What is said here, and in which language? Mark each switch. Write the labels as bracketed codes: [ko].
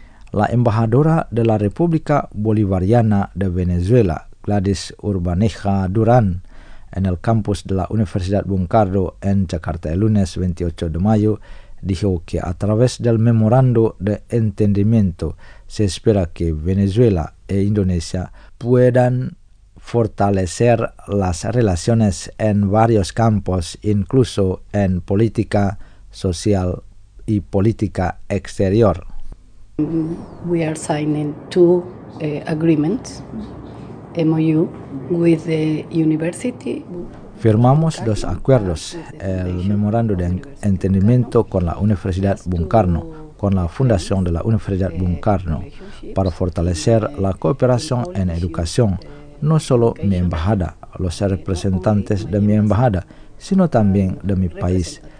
[es] La embajadora de la República Bolivariana de Venezuela, Gladys Urbaneja Durán, en el campus de la Universidad Bung Karno en Jakarta el lunes 28 de mayo, dijo que a través del memorando de entendimiento se espera que Venezuela e Indonesia puedan fortalecer las relaciones en varios campos, incluso en política social y política exterior. [en] We are signing two agreements, MOU, with the University [es] Firmamos dos acuerdos, el memorando de entendimiento con la Universidad Bung Karno, con la Fundación de la Universidad Bung Karno, para fortalecer la cooperación en educación, no solo mi embajada, los representantes de mi embajada, sino también de mi país.